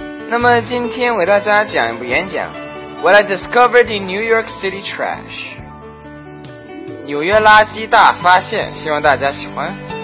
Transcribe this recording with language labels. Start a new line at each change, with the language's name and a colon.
Chinese: 那么今天为大家讲一部演讲。
English: What I discovered in New York City Trash.
Chinese: 纽约垃圾大发现，希望大家喜欢。